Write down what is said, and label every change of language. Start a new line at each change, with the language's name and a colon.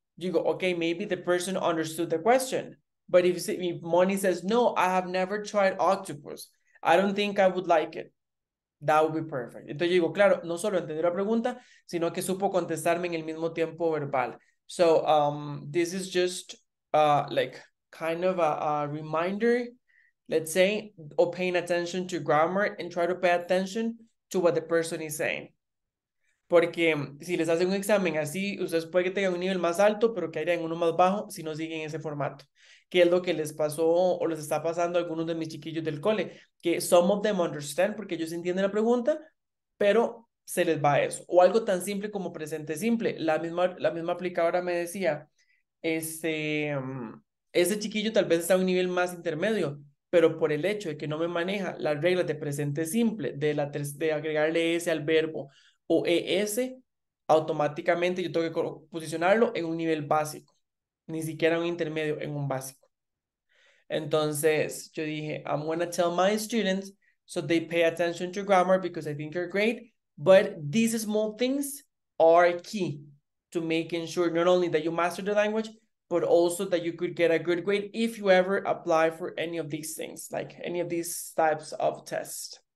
English: You go, okay, maybe the person understood the question. But if you see, if Moni says, no, I have never tried octopus. I don't think I would like it. That would be perfect.
Spanish: Entonces yo digo, claro, no solo entendió la pregunta, sino que supo contestarme en el mismo tiempo verbal.
English: So this is just like kind of a reminder, let's say, of paying attention to grammar and try to pay attention to what the person is saying.
Spanish: Porque si les hacen un examen así, ustedes puede que tengan un nivel más alto, pero que hayan uno más bajo si no siguen ese formato. Que es lo que les pasó o les está pasando a algunos de mis chiquillos del cole. Que
English: some of them understand,
Spanish: porque ellos entienden la pregunta, pero se les va eso. O algo tan simple como presente simple. La misma aplicadora me decía, ese chiquillo tal vez está a un nivel más intermedio, pero por el hecho de que no me maneja las reglas de presente simple, de agregarle S al verbo, o ES, automáticamente yo tengo que posicionarlo en un nivel básico, ni siquiera un intermedio, en un básico. Entonces yo dije,
English: I'm going to tell my students so they pay attention to grammar because I think you're great, but these small things are key to making sure not only that you master the language, but also that you could get a good grade if you ever apply for any of these things, like any of these types of tests.